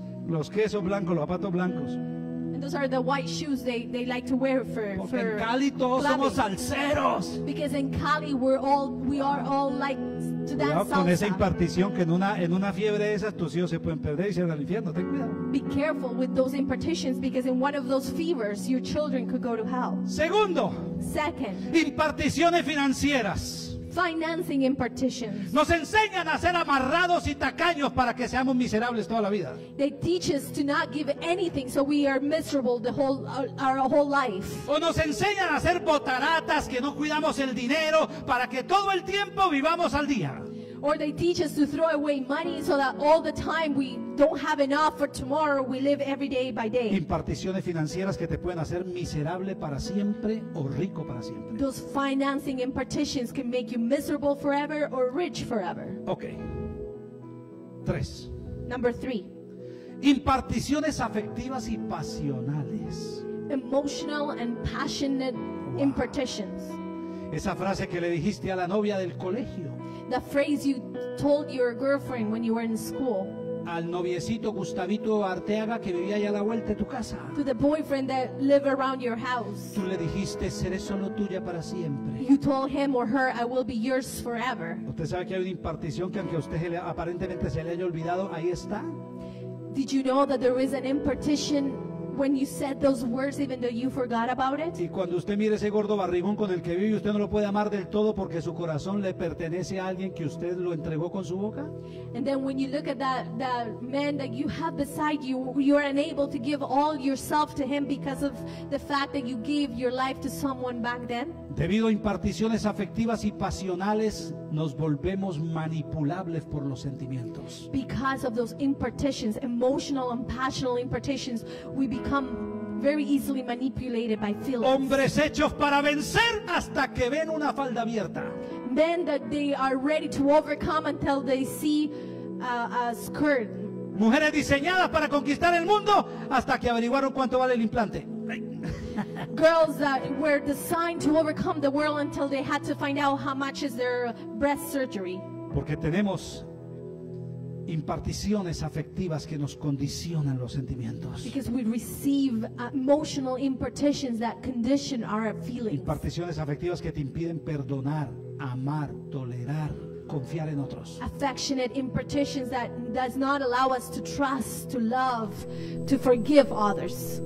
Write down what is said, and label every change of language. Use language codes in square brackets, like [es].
[es] Los quesos blancos, los zapatos blancos. [en] Those are the white shoes they like to wear for. [es] Porque en Cali todos [en] clubbing. [es] Somos salseros. [en] Because in Cali we are all like to dance salsa. [es] Con esa impartición que en una fiebre de esas tus hijos se pueden perder y se van al infierno. Ten cuidado. [en] Be careful with those impartitions because in one of those fevers your children could go to hell. [es] Segundo. [en] Second. [es] Imparticiones financieras. [en] Financing impartitions. [es] Nos enseñan a ser amarrados y tacaños para que seamos miserables toda la vida. [en] They teach us to not give anything so we are miserable the whole our whole life. [es] O nos enseñan a ser botaratas que no cuidamos el dinero para que todo el tiempo vivamos al día. [en] Or they teach us to throw away money so that all the time we don't have enough for tomorrow, we live every day by day. [es] Imparticiones financieras que te pueden hacer miserable para siempre o rico para siempre. [en] Those financing impartitions can make you miserable forever or rich forever. [es] Okay. Tres. [en] Number three. [es] Imparticiones afectivas y pasionales. [en] Emotional and passionate impartitions. [es] Esa frase que le dijiste a la novia del colegio. [en] The phrase you told your girlfriend when you were in school. [es] Al noviecito Gustavito Arteaga que vivía allá a la vuelta de tu casa. [en] To the boyfriend that lived around your house. [es] Tú le dijiste seré solo tuya para siempre. [en] You told him or her I will be yours forever. [es] Usted sabe que hay una impartición que aunque a usted aparentemente se le haya olvidado, ahí está. [en] Did you know that there is an impartition when you said those words even though you forgot about it? [es] Y cuando usted mire ese gordo barrigón con el que vive, usted no lo puede amar del todo porque su corazón le pertenece a alguien que usted lo entregó con su boca. [en] And then when you look at that man that you have beside you, you are unable to give all yourself to him because of the fact that you gave your life to someone back then. [es] Debido a imparticiones afectivas y pasionales, nos volvemos manipulables por los sentimientos. [en] Because of those impartitions, emotional and passional impartitions, we become very easily manipulated by feelings. [es] Hombres hechos para vencer hasta que ven una falda abierta. [en] Men that they are ready to overcome until they see a skirt. [es] Mujeres diseñadas para conquistar el mundo hasta que averiguaron cuánto vale el implante. [en] Girls that were designed to overcome the world until they had to find out how much is their breast surgery. [es] Porque tenemos imparticiones afectivas que nos condicionan los sentimientos. [en] Because we receive emotional impartitions that condition our feelings. [es] Imparticiones afectivas que te impiden perdonar, amar, tolerar, confiar en otros. [en] Affectionate impartitions that does not allow us to trust, to love, to forgive others.